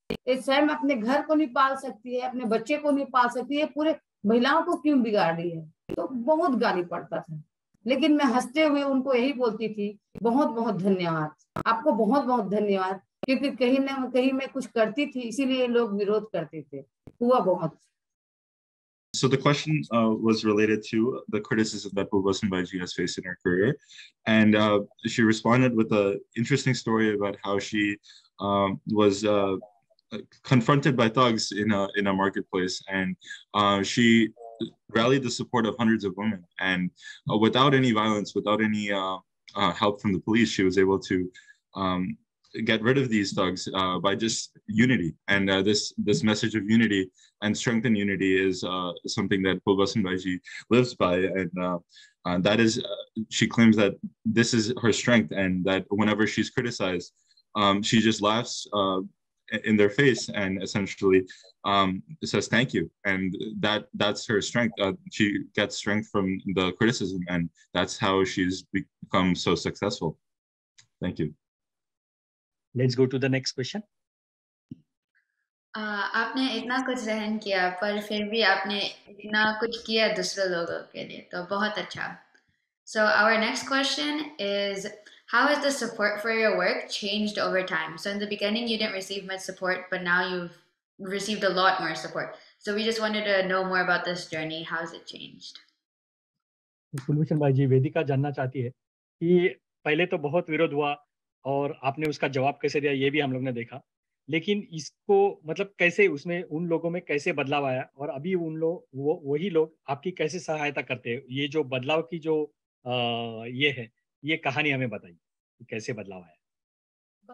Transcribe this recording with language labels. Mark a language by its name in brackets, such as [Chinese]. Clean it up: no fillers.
[Hindi] स्वयं अपने घर को नहीं पाल सकती है, अपने बच्चे को नहीं पाल सकती है, पूरे महिलाओं को क्यों बिगाड़ रही है, तो बहुत गाली पड़ता था, लेकिन मैं हंसते हुए उनको यही बोलती थी बहुत बहुत धन्यवाद, आपको बहुत बहुत धन्यवाद, क्योंकि कहीं ना कहीं मैं कुछ करती थी इसीलिए लोग विरोध करते थे, हुआ बहुत। [English] So the question was related to the criticism that Pulva Sambhaji has faced in her career. And she responded with an interesting story about how she was confronted by thugs in a marketplace. And she rallied the support of hundreds of women. And without any violence, without any help from the police, she was able to get rid of these thugs by just unity. And this message of unity and strength in unity is something that Pulva Sambhaji lives by. And that is, she claims that this is her strength, and that whenever she's criticized, she just laughs in their face and essentially says thank you. And that's her strength. She gets strength from the criticism, and that's how she's become so successful. Thank you. Let's go to the next question. [Hindi] आपने इतना कुछ सहन किया पर फिर भी आपने इतना कुछ किया दूसरे लोगों के लिए तो बहुत अच्छा। [English] So our next question is, how has the support for your work changed over time? So in the beginning you didn't receive much support, but now you've received a lot more support. So we just wanted to know more about this journey. How has it changed? [Hindi] Kulbhushan bhai ji, Vedika जानना चाहती है कि पहले तो बहुत विरोध हुआ और आपने उसका जवाब कैसे दिया, ये भी हम लोग ने देखा। लेकिन इसको मतलब कैसे उसमें उन लोगों में कैसे बदलाव आया और अभी उन लोग वही लोग आपकी कैसे सहायता करते हैं, ये जो बदलाव की जो ये है, ये कहानी हमें बताइए कैसे बदलाव आया।